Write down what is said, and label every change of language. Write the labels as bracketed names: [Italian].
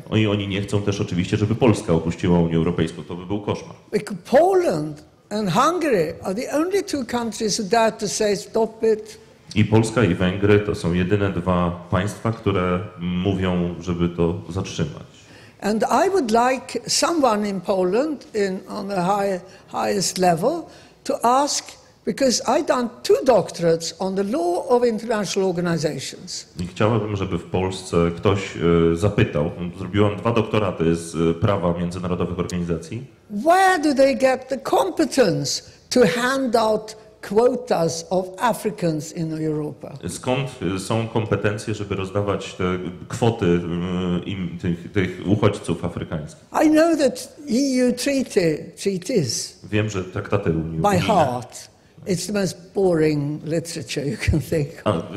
[Polish] oni nie chcą też oczywiście, żeby Polska opuściła Unię Europejską. To by był koszmar. [English] Because Poland and Hungary are the only two countries who dare to say stop it. [Polish] I Polska i Węgry to są jedyne dwa państwa, które mówią, żeby to zatrzymać. [English] And I would like someone in Poland on the highest level to ask, because I've done two doctorates on the law of international organizations. [Polish] I chciałabym, żeby w Polsce ktoś zapytał. Zrobiłam dwa doktoraty z prawa międzynarodowych organizacji. [English] Where do they get the competence to hand out quotas of Africans in Europa? [Polish] Skąd są kompetencje, żeby rozdawać te kwoty im tych uchodźców afrykańskich? [English] I know that EU treaties. [Polish] Wiem, że traktaty unijne. [English] By heart, it's the most boring literature you can think of.